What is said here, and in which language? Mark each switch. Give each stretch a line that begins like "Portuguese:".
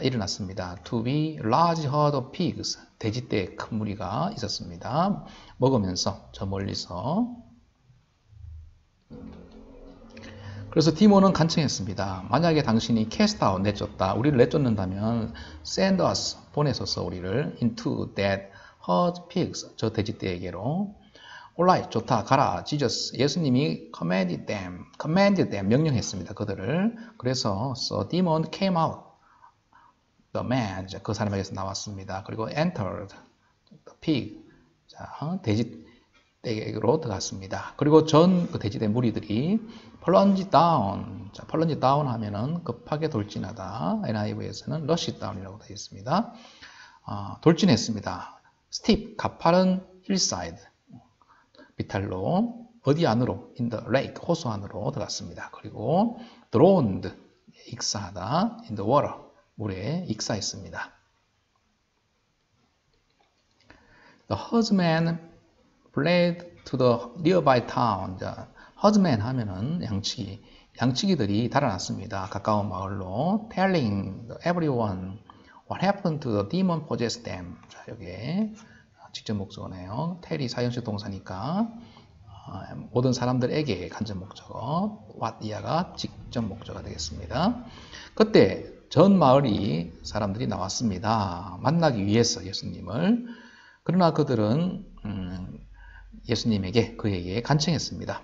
Korean: 일어났습니다.
English: To be large herd of pigs,
Korean: 돼지떼 큰 무리가 있었습니다. 먹으면서 저 멀리서. 그래서 디모는 간청했습니다. 만약에 당신이
English: cast out,
Korean: 내쫓다, 우리를 내쫓는다면
English: send us,
Korean: 보내소서 우리를
English: into that herd of pigs,
Korean: 저 돼지떼에게로.
English: Alright,
Korean: 좋다, 가라, Jesus, 예수님이
English: commanded them,
Korean: 명령했습니다, 그들을.
English: 그래서, so demon came out, the man,
Korean: 이제 그 사람에게서 나왔습니다. 그리고
English: entered, the pig,
Korean: 자, 돼지떼로 들어갔습니다. 그리고 전 그 돼지떼 무리들이
English: plunged down,
Korean: 자, plunged down 하면은 급하게 돌진하다, NIV에서는
English: rushed down
Korean: 이라고 되어 있습니다. 돌진했습니다.
English: steep,
Korean: 가파른
English: hillside.
Korean: 비탈로 어디 안으로?
English: In the lake,
Korean: 호수 안으로 들어갔습니다. 그리고
English: drowned,
Korean: 익사하다.
English: In the water,
Korean: 물에 익사했습니다.
English: The herdsman fled to the nearby town. The herdsman
Korean: 하면은 양치기, 양치기들이 달아났습니다. 가까운 마을로.
English: Telling everyone what happened to the demon possessed them.
Korean: 자, 여기에 직접 목적어네요. Tell이 사형식 동사니까. 모든 사람들에게 간접 목적어. What 이하가 직접 목적어가 되겠습니다. 그때 전 마을이 사람들이 나왔습니다. 만나기 위해서 예수님을. 그러나 그들은 예수님에게 그에게 간청했습니다.